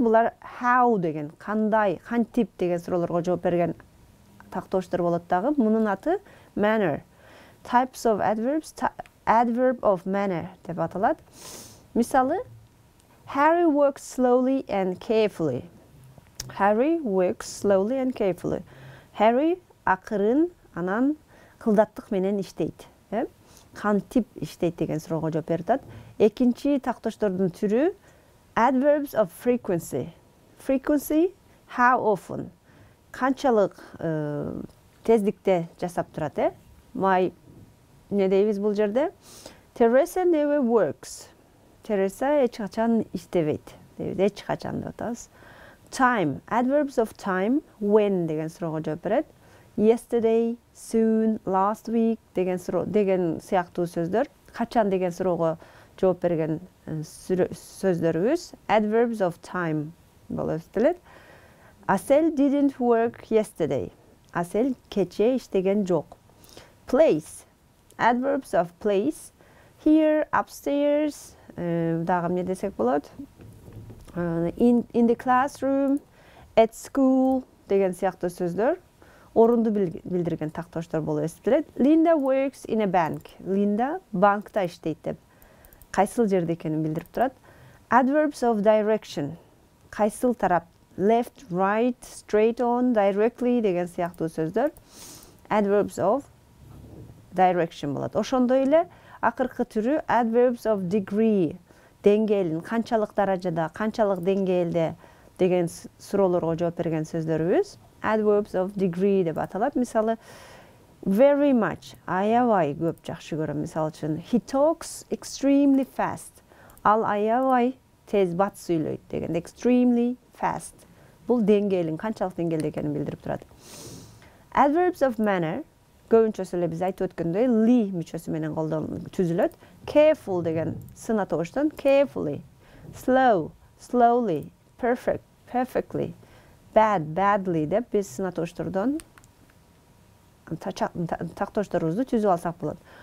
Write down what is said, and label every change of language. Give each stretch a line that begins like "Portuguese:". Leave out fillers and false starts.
Kyrgyz: Булар how деген, кандай, кантип деген суроолорго жооп берген тактоочтор болот дагы. Мунун аты manner.
English: Types of adverbs. Adverb of manner
Kyrgyz: деп аталат. Мисалы,
English: Harry works slowly and carefully. Harry works slowly and carefully.
Kyrgyz: Harry акырын, анан кылдаттык менен иштейт. Кантип иштейт деген суроого жооп берип. Экинчи тактоочтордун түрү adverbs of frequency.
English: Frequency how often?
Kyrgyz: Канчалык тездикте жасап турат, э? My не дейбиз бул жерде?
English: Teresa never works.
Kyrgyz: Тереза эч качан иштебейт. Эч качан деп атабыз. Time. Adverbs of time. When деген суроого жооп берет. Yesterday, soon, last week деген суроо деген сыяктуу сөздөр. Качан деген суроого жооп берген сөздөрүбүз adverbs of time болуп эсептелет.
English: Asel didn't work yesterday.
Kyrgyz: Asel кече иштеген жок.
English: Place. Adverbs of place.
Kyrgyz: Here, upstairs, дагы эмне десек болот? In the classroom, at school деген сыяктуу сөздөр орунду билдирген тактоочтор болуп эсептелет.
English: Linda works in a bank.
Kyrgyz: Linda банкта иштейт деп кайсыл жерде экенин билдирип турат.
English: Adverbs of direction.
Kyrgyz: Кайсыл тарап? Left, right, straight on, directly деген сыяктуу сөздөр adverbs of direction болот. Ошондой эле акыркы түрү adverbs of degree. Деңгээлин канчалык даражада, канчалык деңгээлде деген суроолорго жооп берген сөздөрүбүз adverbs of degree деп аталат. Мисалы, very much, аябай көп жакшы көрөм. Мисалы үчүн,
English: he talks extremely fast.
Kyrgyz: Ал аябай тез бат сүйлөйт дегенде extremely fast. Бул деңгээлин канчалык деңгээлде экенин билдирип турат. Adverbs of manner. көбүнчөсү эле биз айтып өткөндөй ли мүчөсү менен түзүлөт. Careful деген сына тоштон carefully, slow, slowly, perfect, perfectly, bad, badly деп биз сына тоштордон тактоштурубузду түзүп алсак болот.